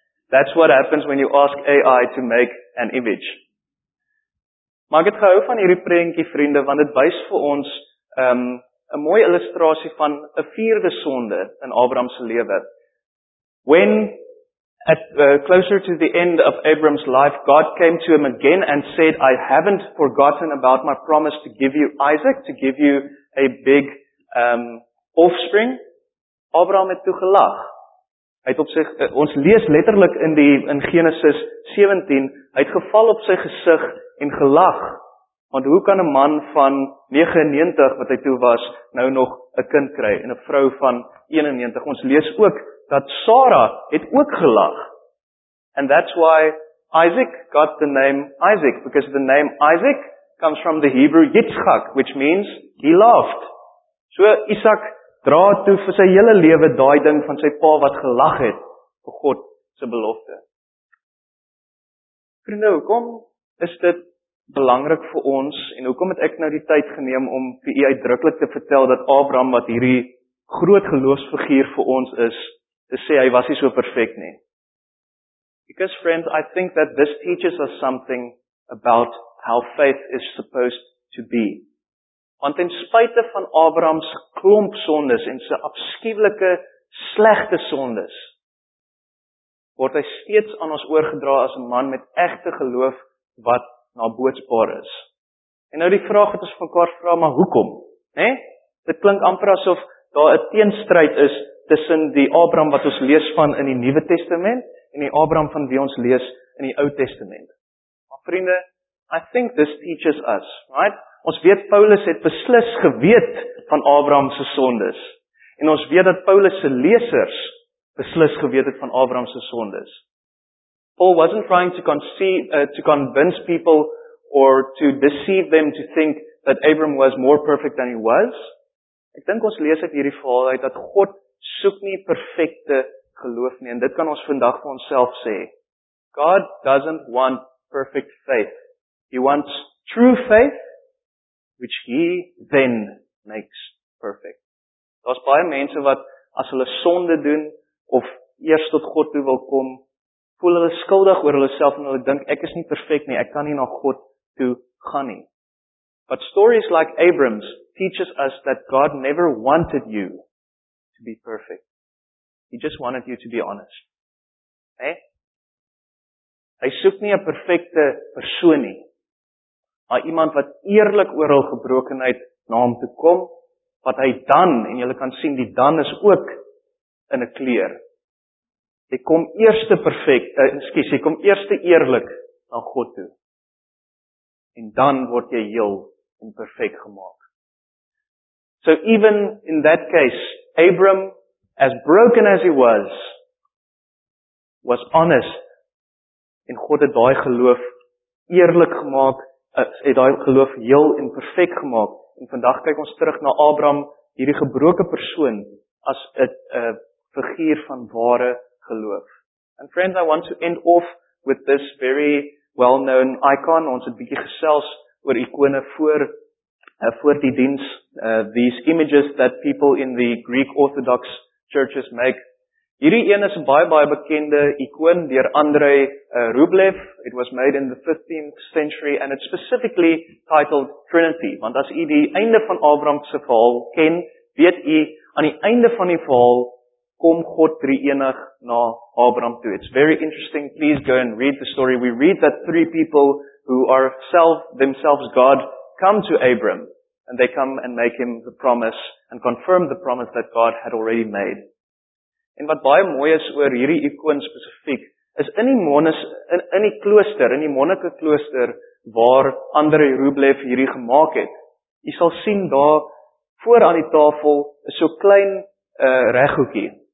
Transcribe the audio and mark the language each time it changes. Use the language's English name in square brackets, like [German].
[English] That's what happens when you ask AI to make an image. [Afrikaans] Maar ek het gehou van hierdie prentjie, vriende, want dit wys vir ons 'n mooi illustrasie van 'n vierde sonde in Abraham se lewe. [English] When at closer to the end of Abram's life, God came to him again and said, I haven't forgotten about my promise to give you Isaac, to give you a big offspring. [Afrikaans] Abraham het toe gelag. Hy het op sy, ons lees letterlik in Genesis 17, hy het geval op sy gesig en gelag. Want hoe kan 'n man van 99, wat hy toe was, nou nog 'n kind kry en 'n vrou van 91? Ons lees ook dat Sarah het ook gelag. [English] And that's why Isaac got the name Isaac because the name Isaac comes from the Hebrew Yitzchak, which means he laughed. [Afrikaans] So Isaac dra toe vir sy hele lewe daai ding van sy pa wat gelag het vir God se belofte. Vriende, hoekom is dit belangrik vir ons en hoekom het ek nou die tyd geneem om vir u uitdruklik te vertel dat Abraham wat hierdie groot geloofsfiguur vir ons is, te sê hy was nie so perfek nie. [English] Because friends, I think that this teaches us something about how faith is supposed to be. [Afrikaans] Want ten spyte van Abraham se klomp sondes en sy afskuwelike slegte sondes, word hy steeds aan ons oorgedra as 'n man met egte geloof wat naboootsbaar is. En nou die vraag wat ons mekaar vra, maar hoekom? Né? Dit klink amper asof daar 'n teenstryd is tussen die Abraham wat ons lees van in die Nuwe Testament en die Abraham van wie ons lees in die Ou Testament. Maar vriende, [English] I think this teaches us, right? [Afrikaans] Ons weet Paulus het beslis geweet van Abraham se sondes. En ons weet dat Paulus se lesers beslis geweet het van Abraham se sondes. [English] Paul wasn't trying to convince people or to deceive them to think that Abraham was more perfect than he was. [Afrikaans] Ek dink ons lees uit hierdie verhaal uit dat God soek nie perfekte geloof nie en dit kan ons vandag vir onsself sê. [English] God doesn't want perfect faith. He wants true faith which he then makes perfect. [Afrikaans] Daar's baie mense wat as hulle sonde doen of eers tot God toe wil kom, voel hulle skuldig oor hulle self en hulle dink ek is nie perfek nie, ek kan nie na God toe gaan nie. [English] But stories like Abram's teaches us that God never wanted you to be perfect. He just wanted you to be honest. Hey? [Afrikaans] Hy soek nie 'n perfekte persoon nie. Maar iemand wat eerlik oor hul gebrokenheid na hom toe kom, wat hy dan, en julle kan sien die dan is ook in 'n kleur. Jy kom eerste eerlik na God toe. En dan word jy heel en perfek gemaak. [English] So even in that case, Abram, as broken as he was honest. [Afrikaans] En God het daai geloof eerlik gemaak, het daai geloof heel en perfek gemaak. En vandag kyk ons terug na Abraham, hierdie gebroke persoon, as 'n figuur van ware geloof. [English] And friends, I want to end off with this very well-known icon. [Afrikaans] Ons het bietjie gesels oor ikone voor die diens. [English] These images that people in the Greek Orthodox churches make. [Afrikaans] Hierdie een is 'n baie baie bekende ikoon deur Andrei Rublev. [English] It was made in the 15th century and it's specifically titled Trinity. [Afrikaans] Want as u die einde van Abraham se verhaal ken, weet u aan die einde van die verhaal kom God drie-enig na Abraham toe. [English] It's very interesting. Please go and read the story. We read that three people who are themselves God come to Abraham and they come and make him the promise and confirm the promise that God had already made. [Afrikaans] En wat baie mooi is oor hierdie ikoon spesifiek is in die monnike klooster waar Andrei Rublev hierdie gemaak het. U sal sien daar voor aan die tafel is so klein reghoekie.